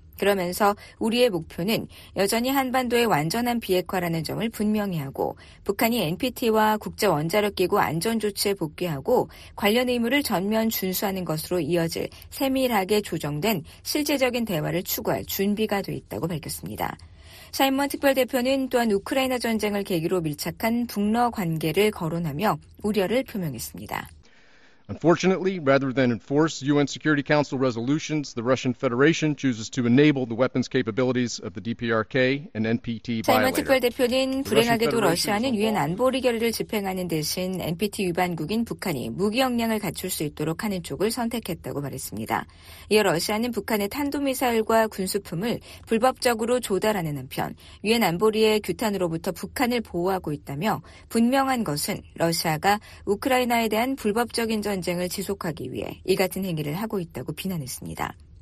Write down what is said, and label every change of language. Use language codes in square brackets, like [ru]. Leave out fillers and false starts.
[ko] 그러면서 우리의 목표는 여전히 한반도의 완전한 비핵화라는 점을 분명히 하고 북한이 NPT와 국제원자력기구 안전조치에 복귀하고 관련 의무를 전면 준수하는 것으로 이어질 세밀하게 조정된 실질적인 대화를 추구할 준비가 돼 있다고 밝혔습니다. 샤인먼 특별대표는 또한 우크라이나 전쟁을 계기로 밀착한 북러 관계를 거론하며 우려를 표명했습니다. [en] Unfortunately, rather than enforce UN Security Council resolutions, the Russian Federation chooses to enable the weapons capabilities of the DPRK and NPT violator. [ko] 샤인먼 특별대표는 불행하게도 러시아는 UN 안보리 결의를 집행하는 대신 NPT 위반국인 북한이 무기 역량을 갖출 수 있도록 하는 쪽을 선택했다고 말했습니다. 이어 러시아는 북한의 탄도미사일과 군수품을 불법적으로 조달하는 한편 UN 안보리의 규탄으로부터 북한을 보호하고 있다며 분명한 것은 러시아가 우크라이나에 대한 불법적인 전쟁을 지속하기 위해 이 같은 행위를 하고 있다고 비난했습니다.